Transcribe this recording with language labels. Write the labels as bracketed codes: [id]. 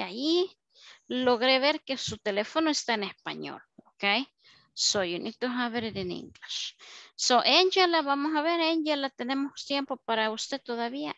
[es] Ahí logré ver que su teléfono está en español. [en] Okay. So you need to have it in English. [es] So Angela, vamos a ver, Angela, tenemos tiempo para usted todavía.